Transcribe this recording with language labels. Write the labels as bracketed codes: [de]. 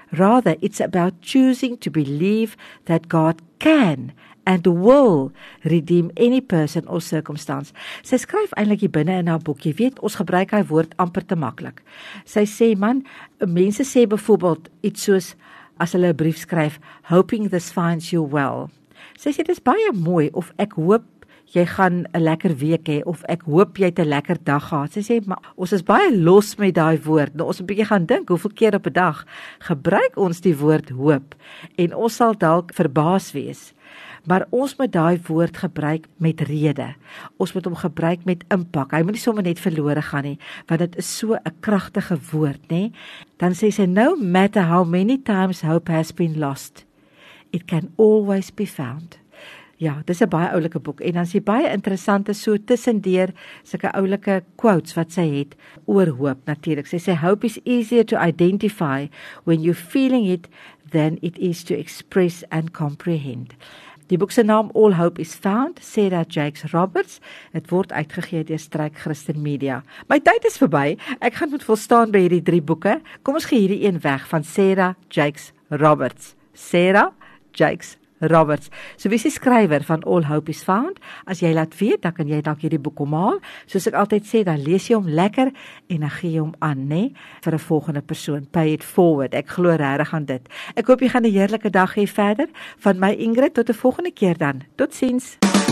[en] Rather, it's about choosing to believe that God can and will redeem any person or circumstance. [af] Sy skryf eintlik hier binne in haar boek, jy weet, ons gebruik hy woord amper te maklik. Sy sê, man, mense sê byvoorbeeld iets soos, as hulle 'n brief skryf, [en] hoping this finds you well. [af] Sy sê, dit is baie mooi, of ek hoop jy gaan 'n lekker week hê, of ek hoop jy het 'n lekker dag gehad. Sy sê, maar ons is baie los met daai woord, nou ons moet 'n bietjie gaan dink, hoeveel keer op 'n dag gebruik ons die woord hoop, en ons sal dalk verbaas wees. Maar ons moet daai woord gebruik met rede. Ons moet hom gebruik met impak. Hy moet nie sommer net verlore gaan nie, want dit is so 'n kragtige woord, nê? Dan sê sy, [en] no matter how many times hope has been lost, it can always be found. [af] Ja, dis 'n baie oulike boek en dan is hier baie interessante so tussendeur sulke oulike quotes wat sy het oor hoop natuurlik. Sy sê [en] hope is easier to identify when you're feeling it than it is to express and comprehend. [af] Die boek se naam All Hope is Found, sê dat Jakes Roberts, het word uitgegee deur Struik Christen Media. My tyd is verby. Ek gaan moet volstaan by hierdie drie boeke. Kom ons gee hierdie een weg van Sarah Jakes Roberts. Sarah Jakes Roberts. So wie is die skrywer van All Hope is Found? As jy laat weet, dan kan jy dalk hierdie boek omhaal. Soos ek altyd sê, dan lees jy hom lekker en dan gee jy hom aan, nê, vir 'n volgende persoon. [en] Pay it forward. [af] Ek glo regtig aan dit. Ek hoop jy gaan 'n heerlike dag hê verder. Van my Ingrid, tot 'n volgende keer dan. Totsiens.